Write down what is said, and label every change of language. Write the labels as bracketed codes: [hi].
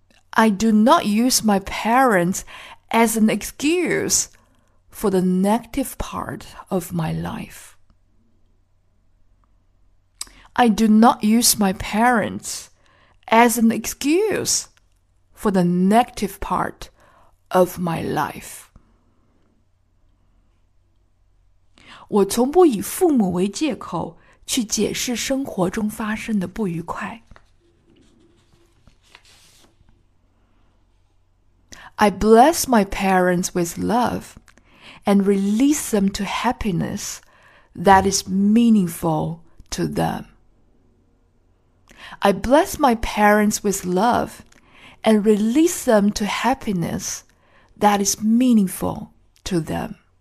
[en] I do not use my parents as an excuse for the negative part of my life. I do not use my parents as an excuse for the negative part of my life. [zh] 我从不以父母为借口去解释生活中发生的不愉快。 [en] I bless my parents with love and release them to happiness that is meaningful to them. I bless my parents with love and release them to happiness that is meaningful to them.